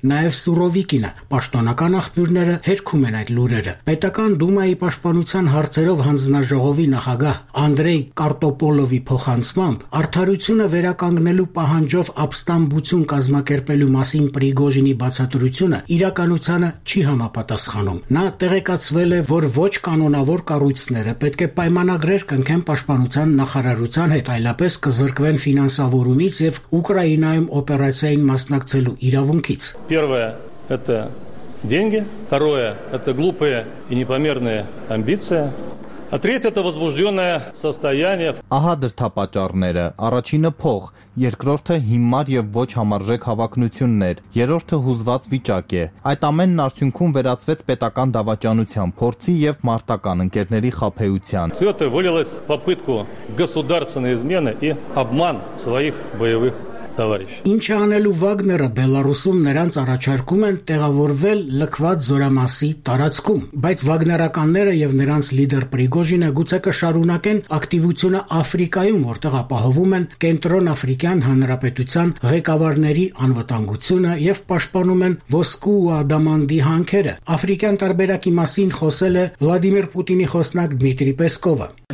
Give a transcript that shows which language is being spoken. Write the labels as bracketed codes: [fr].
[hy] նաեւ Սուրովիկինը։ Պաշտոնական աղբյուրները հերքում են այդ լուրերը։ Պետական դումայի պաշտպանության հարցերով հանձնաժողովի նախագահ Անդրեյ Կարտոպոլովի փոխանցմամբ արդարությունը վերականգնելու պահանջով ապստամբություն կազմակերպելու մասին Պրիգոժինի բացատրությունը իրականությանը չի համապատասխանում։ Նա տեղեկացվել է, որ ոչ կանոնավոր կառույցները պետք է պայմանագրեր կնքեն պաշտպանության նախարարության հետ, այլապես կզրկվեն ֆինանսավորումից և Ուկրաինայում օպերացիային մասնակցելու իրավունքից։ [ru] Первое – это деньги. Второе – это глупые и непомерные амбиции. А третье – это возбужденное состояние. [hy] Ահա դրդապատճառները. Առաջինը փող, երկրորդը հիմար եւ ոչ համարժեք հավակնություններ, երրորդը հուզված վիճակ է։ Այդ ամենն արդյունքում վերածվեց պետական դավաճանության փորձի եւ մարտական ընկերների խափեության։ [ru] Всё это вылилось в попытку государственной измены и обман своих боевых [hy] Ինչ անելու Վագները Բելարուսում նրանց առաջարկում են տեղավորվել լքված զորամասի տարածքում, բայց Վագներականները եւ նրանց լիդեր Պրիգոժինը գուցե կշարունակեն ակտիվությունը Աֆրիկայում, որտեղ ապահովում են Կենտրոնաֆրիկյան Հանրապետության ղեկավարների անվտանգությունը եւ պաշտպանում են ոսկու ու ադամանդի հանքերը։ Աֆրիկյան տարբերակի մասին խոսել է Վլադիմիր Պուտինի խոսնակ Դմիտրի Պեսկովը։